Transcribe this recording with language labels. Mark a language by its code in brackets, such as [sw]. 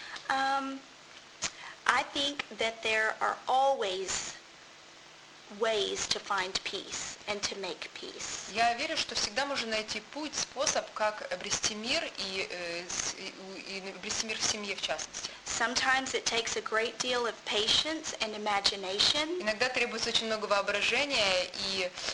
[en] I think that there are always ways to find peace and to make peace. [ru] Я верю, что всегда можно найти путь, способ, как обрести мир и обрести мир в семье в частности. [en] Sometimes it takes a great deal of patience and imagination. [ru] Иногда требуется очень много воображения и